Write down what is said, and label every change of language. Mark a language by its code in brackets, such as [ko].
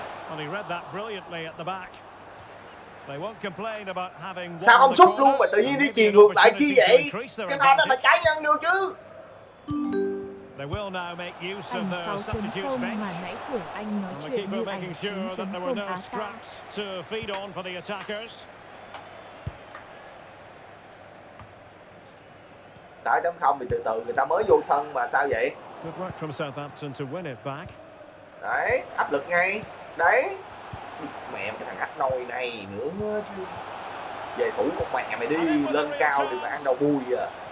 [en] Well, he read that brilliantly at the back. They won't complain about having. [vi] Sao không xúc luôn mà tự nhiên đi chuyền ngược lại kia vậy? Cái pha đó mà trái nhân được chứ? [en] They will now make use of their substitute bench. And the keeper making sure that there were no scraps to feed on for the attackers. [vi] 6.0 thì từ từ người ta mới vô sân mà sao vậy? [en] Good work from Southampton to win it back. [vi] Đấy, áp lực ngay. Đấy. Mẹ cái thằng ác nôi này nữa chứ. Về thủ một mẹ mày đi, lên cao thì mày ăn đầu bùi à.